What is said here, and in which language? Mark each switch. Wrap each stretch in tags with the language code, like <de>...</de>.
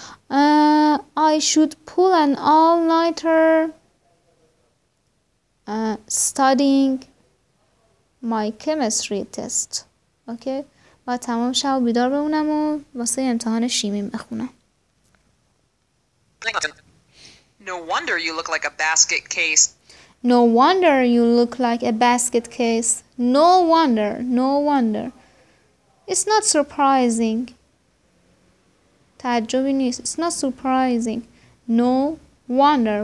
<en>I should pull an all nighter studying my chemistry test. Okay?</en> <fa>و تمام شب بیدار بمونم و واسه امتحان شیمی بخونم.</fa> <en>No wonder you look like a basket case. No wonder you look like a basket case. No wonder, no wonder. It's not surprising.</en> <fa>تعجبی نیست.</fa> <en>It's not surprising. No wonder.</en>